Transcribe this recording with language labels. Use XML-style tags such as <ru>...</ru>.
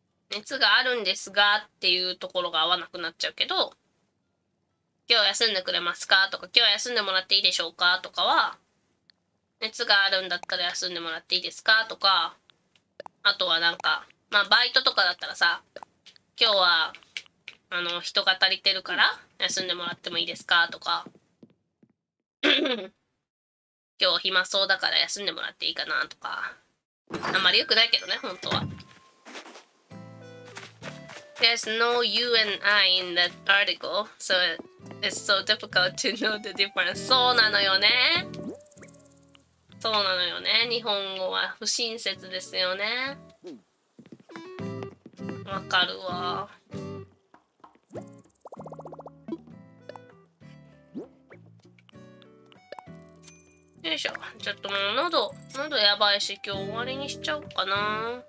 <ja>熱があるんですがっていうところが合わなくなっちゃうけど、今日休んでくれますかとか、今日休んでもらっていいでしょうかとかは、熱があるんだったら休んでもらっていいですかとか、あとはなんか、まあバイトとかだったらさ、今日は、あの、人が足りてるから休んでもらってもいいですかとか、今日暇そうだから休んでもらっていいかなとか、あんまり良くないけどね、本当は。</ja> <en>There's no you and I in that article, so it's so difficult to know the difference.</en> <ja>そうなのよね。そうなのよね。日本語は不親切ですよね。わかるわ。よいしょ。ちょっともう喉やばいし、今日終わりにしちゃおうかな。</ja>